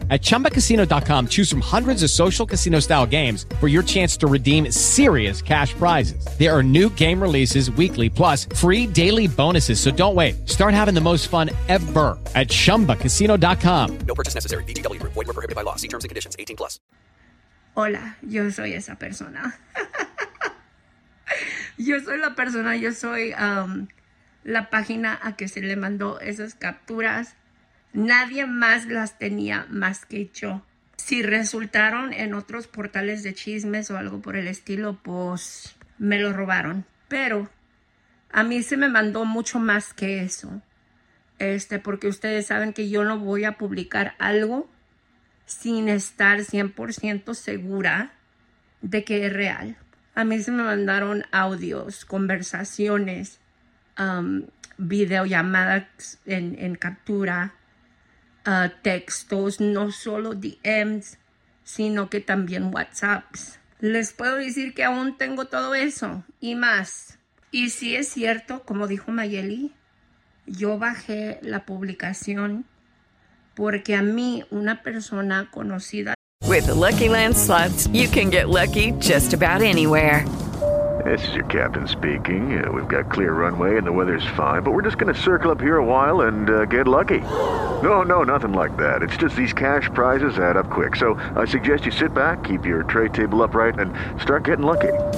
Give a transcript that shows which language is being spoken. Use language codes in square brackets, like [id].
[en] At ChumbaCasino.com, choose from hundreds of social casino style games for your chance to redeem serious cash prizes. There are new game releases weekly, plus free daily bonuses. So don't wait. Start having the most fun ever at ChumbaCasino.com. No purchase necessary. VGW. Void where prohibited by law. See terms and conditions 18 plus. [es] Hola, yo soy esa persona. Yo soy la persona, yo soy la página a que se le mandó esas capturas. Nadie más las tenía más que yo. Si resultaron en otros portales de chismes o algo por el estilo, pues me lo robaron. Pero a mí se me mandó mucho más que eso. Porque ustedes saben que yo no voy a publicar algo sin estar 100% segura de que es real. A mí se me mandaron audios, conversaciones, videollamadas en captura, textos, no solo DMs, sino que también WhatsApps. Les puedo decir que aún tengo todo eso y más. Y sí es cierto, como dijo Mayeli, yo bajé la publicación porque a mí, una persona conocida. [en] With Lucky Land Slots, you can get lucky just about anywhere. This is your captain speaking. We've got clear runway and the weather's fine, but we're just going to circle up here a while and get lucky. No, no, nothing like that. It's just these cash prizes add up quick. So I suggest you sit back, keep your tray table upright, and start getting lucky.